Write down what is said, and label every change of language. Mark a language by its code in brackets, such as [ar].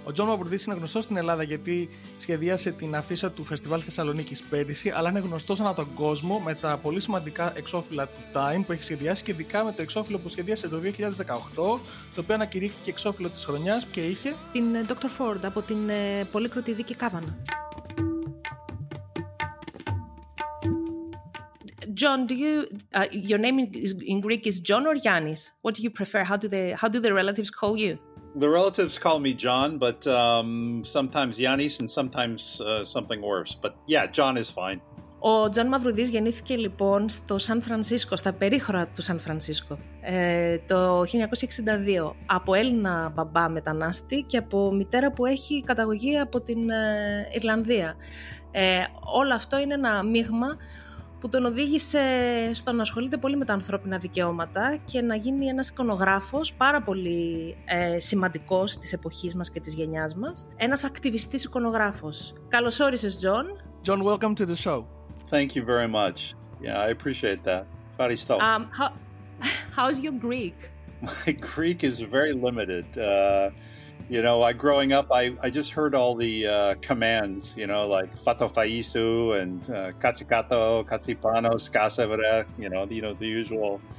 [el] Ο Τζον Μαυρουδής είναι γνωστός στην Ελλάδα γιατί σχεδίασε την αφίσα του Φεστιβάλ Θεσσαλονίκης πέρυσι, αλλά είναι γνωστός ανά τον κόσμο με τα πολύ σημαντικά εξώφυλλα του Time που έχει σχεδιάσει και ειδικά με το εξώφυλλο που σχεδίασε το 2018, το οποίο ανακηρύχθηκε εξώφυλλο της χρονιάς και είχε την Dr. Ford από την πολύκροτη δίκη Κάβανα. [en] John, do you your name in Greek is John or Yannis? What do you prefer? How do the relatives call you? The relatives call me John, but sometimes Yannis and sometimes something worse. But yeah, John is fine. [el] Ο Τζον Μαυρουδής γεννήθηκε λοιπόν στο Σαν Φρανσίσκο, στα περίχωρα του Σαν Φρανσίσκο, το 1962, από Έλληνα μπαμπά μετανάστη και από μητέρα που έχει καταγωγή από την Ιρλανδία. Όλο αυτό είναι ένα μείγμα που τον οδήγησε στο να ασχολείται πολύ με τα ανθρώπινα δικαιώματα και να γίνει ένας εικονογράφος πάρα πολύ σημαντικός της εποχής μας και της γενιάς μας, ένας ακτιβιστής εικονογράφος. Καλώς όρισες, Τζον. [en] Τζον, welcome to the show. Thank you very much. Yeah, I appreciate that. [el] Ευχαριστώ. [en] How's your Greek? My Greek is very limited. You know, I growing up, I just heard all the commands, you know, like fato faisu and [el] katsikato, katsipano, skasevere, [en] you know, the usual.